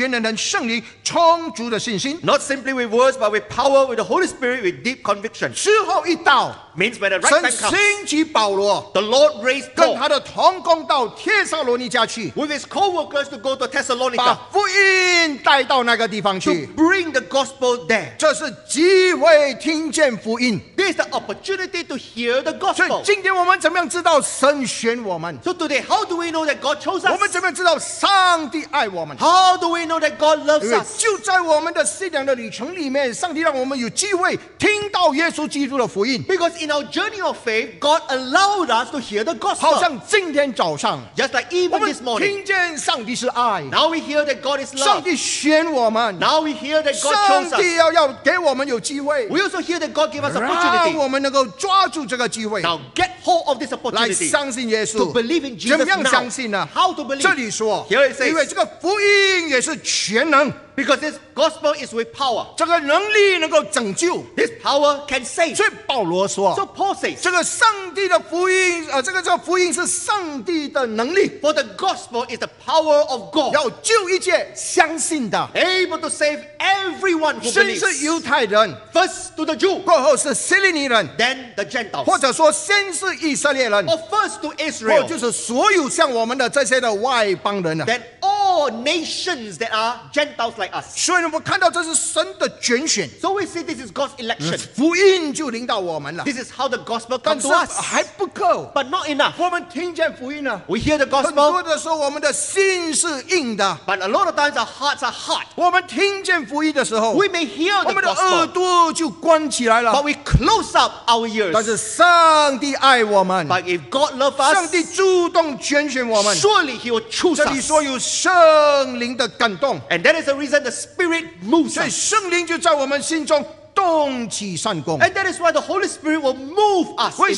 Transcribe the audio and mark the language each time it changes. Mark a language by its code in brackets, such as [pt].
[zh] 不独在乎原野，在乎全能的圣灵充足的信心。 [en] Not simply with words, but with power, with the Holy Spirit, with deep conviction. [zh] 时候一到。 [en] Means when the right time comes, [zh] 神兴起保罗, [en] the Lord raised Paul [zh] 跟他的同工到帖撒罗尼迦去, [en] with his co-workers to go to Thessalonica, [zh] 把福音带到那个地方去, [en] to bring the gospel there. [zh] 这是机会听见福音, [en] this is the opportunity to hear the gospel. [zh] 所以今天我们怎么样知道神选我们? [en] So today, how do we know that God chose us? [zh] 我们怎么样知道上帝爱我们? [en] How do we know that God loves us? [zh] 就在我们的信仰的旅程里面, 上帝让我们有机会听到耶稣基督的福音。 [en] Because in our journey of faith, God allowed us to hear the gospel. [zh] 好像今天早上, [en] just like even this morning, [zh] 我们听见上帝是爱, [en] now we hear that God is love. [zh] 上帝选我们, [en] now we hear that God chose us. [zh] 上帝要给我们有机会, [en] we also hear that God gave us opportunity. [zh] 让我们能够抓住这个机会, [en] now get hold of this opportunity. [zh] 来相信耶稣, [en] to believe in Jesus. [zh] 怎么样相信呢? [en] How to believe? [zh] 这里说, [en] here it says, [zh] 因为这个福音也是全能, [en] because this gospel is with power. [zh] 这个能力能够拯救, [en] this power can save. [zh] 所以保罗说, [en] so Paul says, [zh] 这个上帝的福音, 这个福音是上帝的能力, [en] for the gospel is the power of God. [zh] 要救一切相信的, [en] able to save everyone who [zh] 先是犹太人, [en] believes. [zh] 先是犹太人, [en] first to the Jew, [zh] 过后是希利尼人, [en] then the Gentiles. [zh] 或者说先是以色列人, [en] or first to Israel, [zh] 或就是所有像我们的这些的外邦人, [en] then all nations that are Gentiles like us. [zh] 所以我们看到这是神的拣选。 [en] So we see this is God's election. [zh] 福音就临到我们了。 [en] This is how the gospel comes to us. [zh] 还不够。 [en] But not enough. [zh] 我们听见福音了。 [en] We hear the gospel. [zh] 很多的时候我们的心是硬的。 [en] But a lot of times our hearts are hard. [zh] 我们听见福音的时候, [en] we may hear the gospel. [zh] 我们的耳朵就关起来了。 [en] But we close up our ears. [zh] 但是上帝爱我们。 [en] But if God loves us, [zh] 上帝主动拣选我们。 [en] Surely He will choose us. [zh] 这里说有 圣灵的感动, [en] and that is the reason the Spirit moves. [zh] 所以圣灵就在我们心中动起善功, [en] and that is why the Holy Spirit will move us.